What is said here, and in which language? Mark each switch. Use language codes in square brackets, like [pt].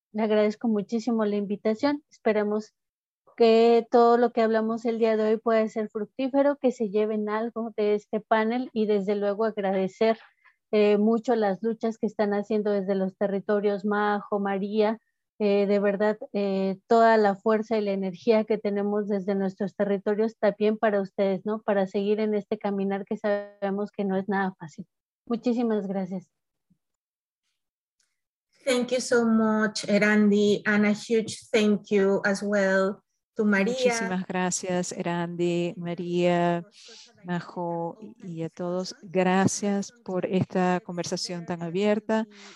[es] Le agradezco muchísimo la invitación, esperemos que todo lo que hablamos el día de hoy pueda ser fructífero, que se lleven algo de este panel y desde luego agradecer mucho las luchas que están haciendo desde los territorios Majo, María, de verdad toda la fuerza y la energía que tenemos desde nuestros territorios también para ustedes, ¿no? Para seguir en este caminar que sabemos que no es nada fácil. Muchísimas gracias. [en] Thank you so much, Erandi, and a huge thank you as well to María. [es] Muchísimas gracias, Erandi, María, Majo y a todos. Gracias por esta conversación tan abierta.